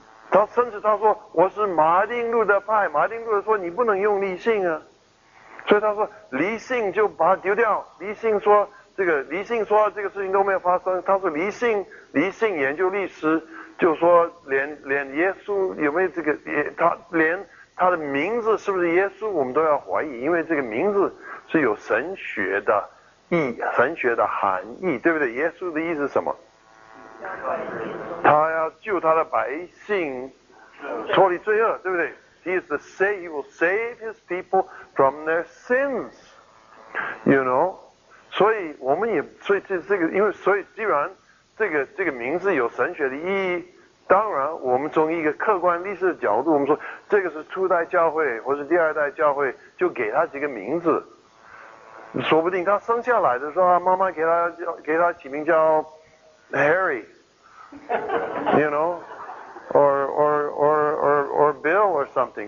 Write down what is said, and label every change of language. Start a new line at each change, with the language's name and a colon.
Chinese: 他甚至他说我是马丁路德派，马丁路德说你不能用理性啊，所以他说理性就把它丢掉，理性说这个事情都没有发生，他说理性研究历史就说连耶稣有没有这个他连他的名字是不是耶稣我们都要怀疑，因为这个名字是有神学的意神学的含义，对不对？耶稣的意思是什么？他要救他的百姓脱离罪恶，对不对？
English: He is the Savior, he will save his people from their sins. You know?
Chinese: 所以我们也所以这个因为所以既然这个名字有神学的意义，当然我们从一个客观历史的角度，我们说这个是初代教会或是第二代教会，就给他几个名字，说不定他生下来的时候妈妈给他起名叫 Harry you know or Bill or something。